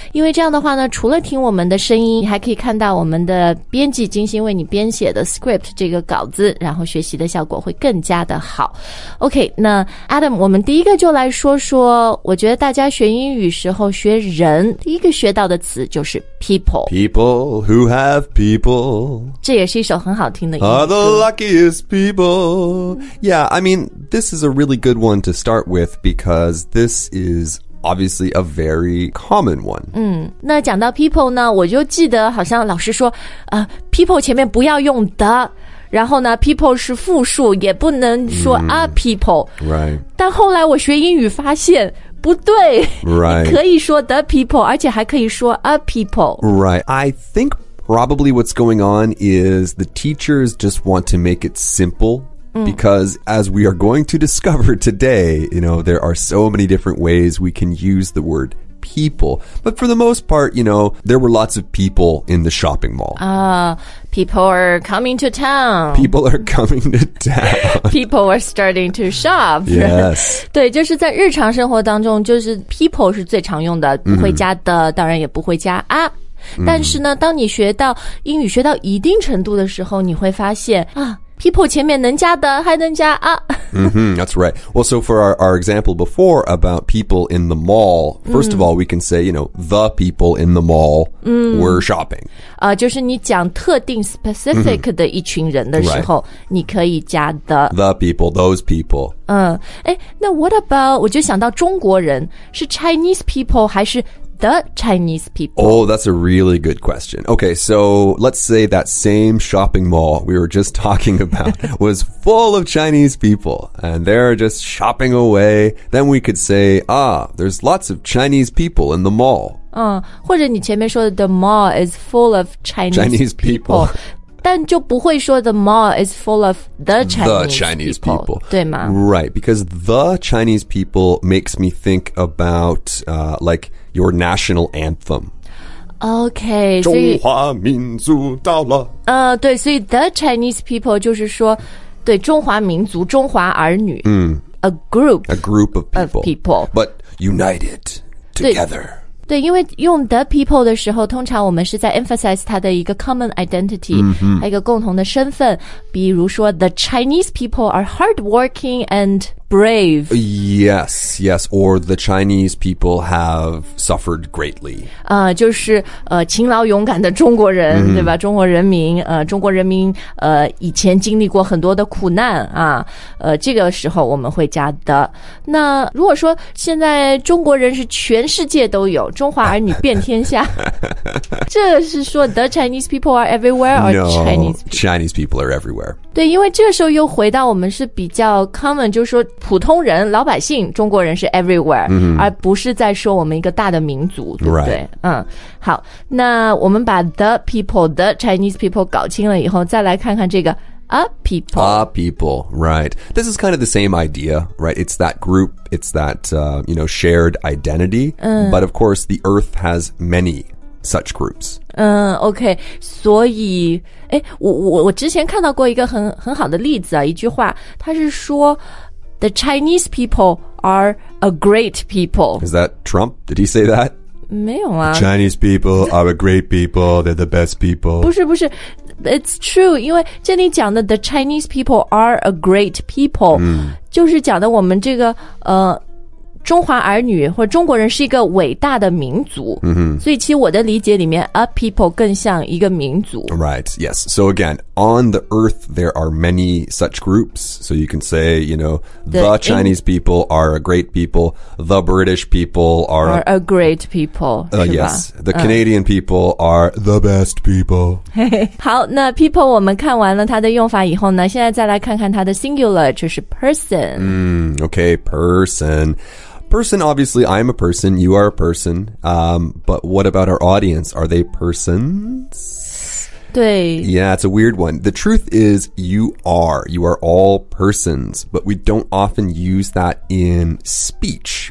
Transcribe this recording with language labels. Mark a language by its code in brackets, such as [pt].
[zh] 因为这样的话呢，除了听我们的声音，还可以看到我们的编辑精心为你编写的 script 这个稿子，然后学习的效果会更加的好。 OK， 那 Adam， 我们第一个就来说说，我觉得大家学英语英语时候学人第一个学到的词就是 people， [en] people who have people， [zh] 这也是一首很好听的英语 [en] 歌。 Are the luckiest people. Yeah, I mean, this is a really good one to start with because this is obviously a very common one. [zh] 那讲到 people 呢，我就记得好像老师说people 前面不要用的，然后呢 people 是复数，也不能说 a people. [en] Right. [zh] 但后来我学英语发现不对、 [en] right. [zh] 可以说 the people， 而且还可以说 a people. [en] Right. I think probably what's going on is the teachers just want to make it simple、because as we are going to discover today, you know, there are so many different ways we can use the word people. But for the most part, you know, there were lots of people in the shopping mall. People are coming to town. People are coming to town. People are starting to shop. Yes. [zh] 对，就是在日常生活当中，就是 people 是最常用的，不会加的，当然也不会加啊。但是呢，当你学到英语学到一定程度的时候，你会发现啊， people 前面能加的还能加啊。 [en] That's right. Well, so for our example before about people in the mall, first of all, we can say, you know, the people in the mall were shopping. [zh] 就是你讲特定 specific 的一群人的时候、你可以加 [en] the people, those people. [zh] 那 [en] what about, [zh] 我就想到中国人，是 Chinese people 还是the Chinese people? [en] Oh, that's a really good question. Okay, so let's say that same shopping mall we were just talking about was full of Chinese people and they're just shopping away. Then we could say, ah, there's lots of Chinese people in the mall. [zh] 或者你前面说的 [en] the mall is full of Chinese people. [zh] 但就不会说 [en] the mall is full of the Chinese people. [zh] 对吗? [en] Right, because the Chinese people makes me think about, like,your national anthem. Okay. [zh] 中华民族到了。对，所以 the Chinese people 就是说，对，中华民族，中华儿女。 [en] A group of people. But united together. [zh] 对，因为用 the people 的时候，通常我们是在 emphasize 它的一个 common identity，还有一个共同的身份。比如说 [en] the Chinese people are hardworking and... brave. Yes, yes. Or the Chinese people have suffered greatly. [zh] 就是勤劳勇敢的中国人、对吧？中国人民，中国人民以前经历过很多的苦难啊。这个时候我们会加的。那如果说现在中国人是全世界都有，中华儿女遍天下，这是说 [en] the Chinese people are everywhere or no, Chinese people are everywhere. [zh] 对，因为这个时候又回到我们是比较 common， 就是说普通人老百姓中国人是 everywhere、而不是在说我们一个大的民族，对不对、好，那我们把 the people the Chinese people 搞清了以后，再来看看这个 a people. [en] Right, this is kind of the same idea, right? It's that group, it's that you know, shared identity、but of course the earth has manysuch groups. [zh] OK, 所以我之前看到过一个很好的例子啊，一句话，它是说 [en] the Chinese people are a great people. Is that Trump? Did he say that? [zh] 没有啊。 [en] The Chinese people are a great people. They're the best people. [zh] 不是 [en] It's true, [zh] 因为这里讲的 [en] the Chinese people are a great people、 [zh] 就是讲的我们这个中华儿女或者中国人是一个伟大的民族、 [en] mm-hmm. [zh] 所以其实我的理解里面 a people 更像一个民族 [en] Right, yes. So again, on the earth there are many such groups. So you can say, you know, the Chinese people are a great people. The British people are a great people. Yes, the Canadian people are the best people. [zh] 好，那 people 我们看完了它的用法以后呢，现在再来看看它的 singular, 就是 person. [en] Okay, person. Person, obviously, I am a person, you are a person, but what about our audience? Are they persons? [zh] 对 [en] Yeah, it's a weird one. The truth is, you are all persons, but we don't often use that in speech.